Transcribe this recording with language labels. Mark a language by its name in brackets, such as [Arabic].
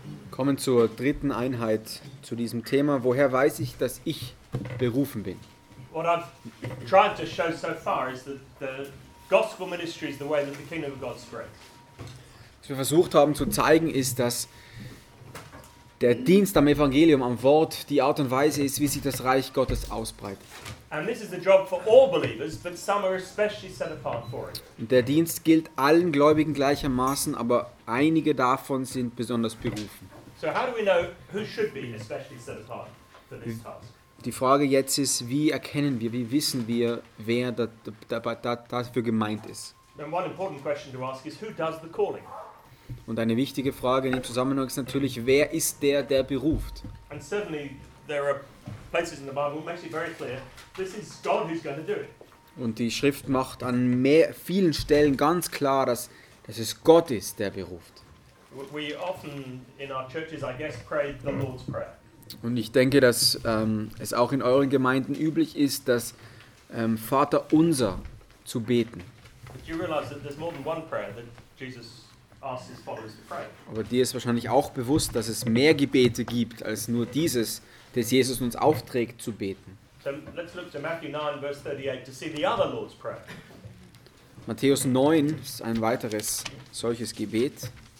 [German] Kommen zur dritten Einheit zu diesem Thema. Woher weiß ich, dass ich berufen bin? [English] What I've tried to show so far is that the gospel ministry is the way that the kingdom of God spreads. [German] Was wir versucht haben zu zeigen, ist, dass der Dienst am Evangelium, am Wort, die Art und Weise ist, wie sich das Reich Gottes ausbreitet. [English] And this is the job for all believers, but some are especially set apart for it. [German] Der Dienst gilt allen Gläubigen gleichermaßen, aber einige davon sind besonders berufen. [English] So how do we know who should be especially set apart for this task? [German] Die Frage jetzt ist, wie erkennen wir, wie wissen wir, wer dafür gemeint ist? [English] And one important question to ask is, who does the calling? [German] Und eine wichtige Frage in dem Zusammenhang ist natürlich, wer ist der, der beruft? [English] And certainly there are places in the Bible that makes it very clear, this is God who's going to do it. [German] Und die Schrift macht an vielen Stellen ganz klar, dass es Gott ist, der beruft. [English] We often in our churches, I guess, pray the Lord's Prayer. [German] Und ich denke, dass es auch in euren Gemeinden üblich ist, das Vater Unser zu beten. [English] But you realize that there's more than one prayer that Jesus asks his followers to pray. [German] Aber dir ist wahrscheinlich auch bewusst, dass es mehr Gebete gibt als nur dieses, das Jesus uns aufträgt zu beten. [English] So let's look to Matthew 9, verse 38 to see the other Lord's Prayer. [German] Matthäus 9 ist ein weiteres solches Gebet.